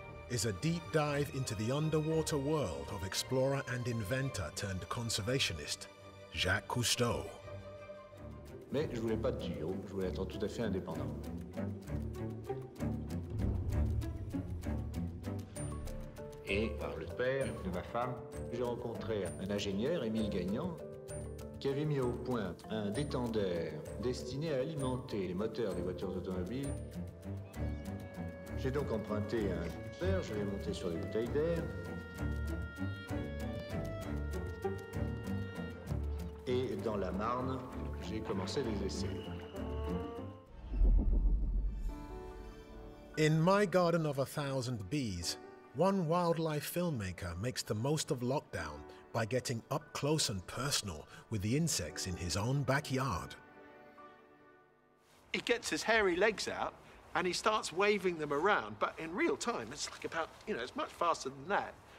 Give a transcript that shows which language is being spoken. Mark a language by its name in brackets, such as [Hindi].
[English] is a deep dive into the underwater world of explorer and inventor turned conservationist, Jacques Cousteau. [French] Mais je voulais pas de Gio, je voulais être tout à fait indépendant. Et par le père de ma femme, j'ai rencontré un ingénieur, Émile Gagnant, qui avait mis au point un détendeur destiné à alimenter les moteurs des voitures automobiles. J'ai donc emprunté un détendeur, je l'ai monté sur des bouteilles d'air. Et dans la Marne, j'ai commencé les essais. [English] In My Garden of a Thousand Bees, one wildlife filmmaker makes the most of lockdown by getting up close and personal with the insects in his own backyard. He gets his hairy legs out and he starts waving them around, but in real time, it's like about, you know, it's much faster than that.